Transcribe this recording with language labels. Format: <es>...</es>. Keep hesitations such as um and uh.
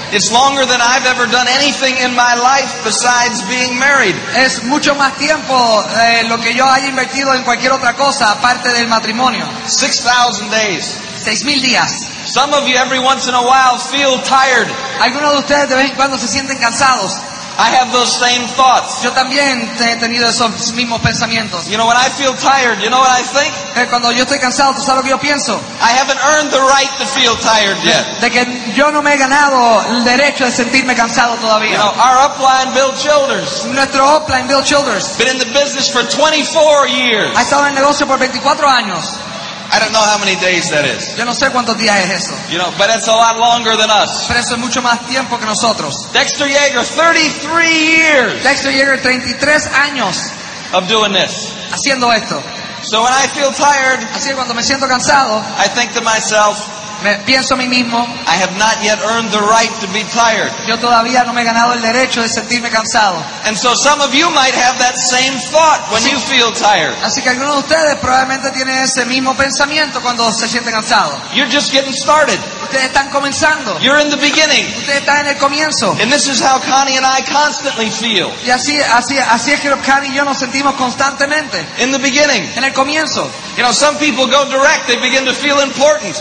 <en>It's longer than I've ever done anything in my life besides being married.</en> <es>Es mucho más tiempo de lo que yo haya invertido en cualquier otra cosa aparte del matrimonio.</es> <en>6000 days.</en> <es>6000 días.</es> <en>Some of you every once in a while feel tired.</en> <es>Algunos de ustedes de vez en cuando se sienten cansados.</es> <en>I have those same thoughts.</en> <es>Yo también he tenido esos mismos pensamientos.</es> <en>You know when I feel tired, you know what I think?</en> <es>Cuando yo estoy cansado, ¿sabes lo que yo pienso?</es> <en>I haven't earned the right to feel tired yet.</en> <es>De que yo no me he ganado el derecho de sentirme cansado todavía.</es> <en>You know, our upline Bill Childers.</en> <es>Nuestro upline Bill Childers.</es> <en>Been in the business for 24 years. Ha been in the business for 24 years. I don't know how many days that is.</en> <es>Yo no sé cuántos días es eso.</es> <en>You know, but it's a lot longer than us.</en> <es>Pero eso es mucho más tiempo que nosotros.</es> <en>Dexter Yeager, 33 years.</en> <es>Dexter Yeager, 33 años.</es> <en>Of doing this.</en> <es>Haciendo esto.</es> <en>So when I feel tired,</en> <es>así es, cuando me siento cansado,</es> <en>I think to myself, I have not yet earned the right to be tired.</en> <es>Yo todavía no me he ganado el derecho de sentirme cansado.</es> <en>And so some of you might have that same thought when you feel tired.</en> <es>Así que algunos de ustedes probablemente tienen ese mismo pensamiento cuando se sienten cansados.</es> <en>You're just getting started.</en> <es>Ustedes están comenzando.</es> <en>You're in the beginning.</en> <es>Ustedes están en el comienzo.</es> <en>And this is how Connie and I constantly feel.</en> <es>Y así así así es que Connie y yo nos sentimos constantemente.</es> <en>In the beginning.</en> <es>En el comienzo.</es> <en>You know, some people go direct. They begin to feel important.</en>